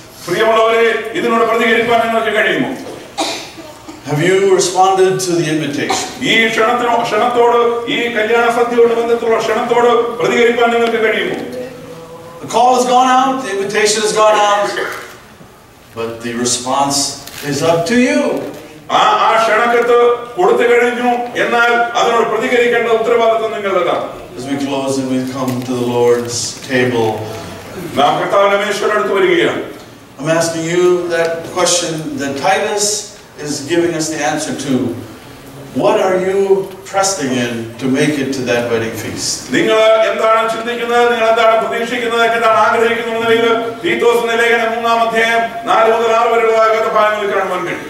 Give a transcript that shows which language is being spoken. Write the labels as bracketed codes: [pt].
[ml] പ്രിയമുള്ളവരെ, ഇതിനോട് പ്രതികരിക്കാൻ നിങ്ങൾക്ക് കഴിയുമോ? [en] Have you responded to the invitation? [ml] ഈ ക്ഷണത്തോട്, ഈ കല്യാണ സദ്യയോട് ബന്ധത്തിലുള്ള ക്ഷണത്തോട് പ്രതികരിക്കാൻ നിങ്ങൾക്ക് കഴിയുമോ? [en] The call has gone out, the invitation has gone out, but the response is up to you. [ml] ആ ക്ഷണക്കത്ത് കൊടുത്തു കഴിഞ്ഞു എന്നാൽ അതിനോട് പ്രതികരിക്കേണ്ട ഉത്തരവാദിത്വം നിങ്ങളുടെ. [en] As we close and we come to the Lord's table, [ml] നാം കർത്താവിന്റെ മേശയുടെ അടുത്ത് വരികയാണ്. [en] I'm asking you that question that Titus is giving us the answer to. What are you trusting in to make it to that wedding feast? [ml] നിങ്ങളെ എന്താണ് ചിന്തിക്കുന്നത്? നിങ്ങളെന്താണ് പ്രതീക്ഷിക്കുന്നത്? എന്താണ് ആഗ്രഹിക്കുന്നത്? തീത്തോസിന്റെ ലേഖനം 3:4-6